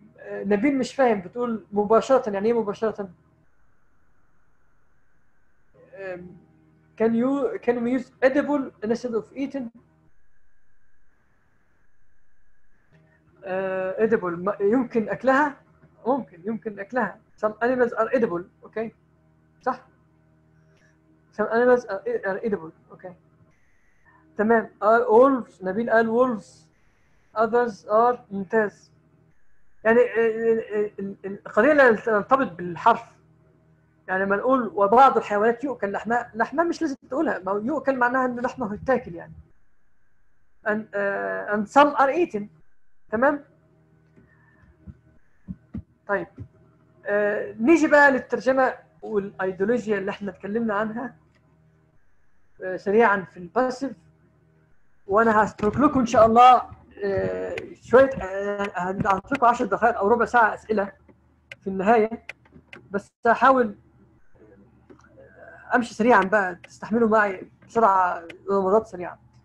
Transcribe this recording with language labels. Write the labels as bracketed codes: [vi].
[ar] نبيل مش فاهم بتقول مباشرة يعني ايه مباشرة؟ [en] can we use edible instead of eaten؟ [ar] edible يمكن اكلها؟ ممكن يمكن اكلها. [en] some animals are edible okay [ar] صح؟ [en] some animals are edible okay [ar] تمام. [en] are wolves [ar] نبيل قال [en] wolves others are [ar] ممتاز. يعني القضية اللي ترتبط بالحرف يعني ما نقول وبعض الحيوانات يؤكل لحمها, لحمها مش لازم تقولها, ما يؤكل معناها ان لحمه يتاكل يعني. [en] and some are eaten [ar] تمام. طيب نيجي بقى للترجمة والايديولوجيا اللي احنا اتكلمنا عنها سريعا في الباسيف, وانا هترك لكم ان شاء الله شويه هنعطيكم 10 دقائق او ربع ساعه اسئله في النهايه, بس هحاول امشي سريعا بقى تستحملوا معي بسرعه نمرات سريعه.